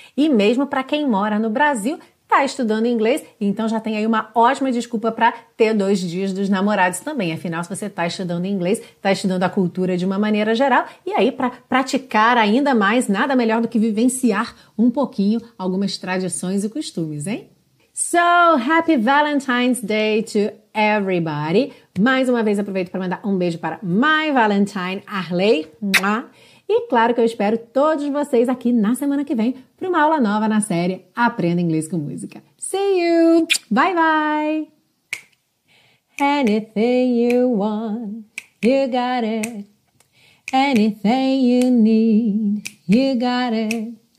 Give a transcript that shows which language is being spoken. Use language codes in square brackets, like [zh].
[pt] E mesmo para quem mora no Brasil, está estudando inglês, então já tem aí uma ótima desculpa para ter 2 dias dos namorados também. Afinal, se você está estudando inglês, está estudando a cultura de uma maneira geral, e aí para praticar ainda mais, nada melhor do que vivenciar um pouquinho algumas tradições e costumes, hein? [en] So, happy Valentine's Day to everybody. [pt] Mais uma vez, aproveito para mandar um beijo para [en] my Valentine, [pt] Arley. E claro que eu espero todos vocês aqui na semana que vem para uma aula nova na série Aprenda Inglês com Música. [en] See you! Bye, bye! Anything you want, you got it. Anything you need, you got it.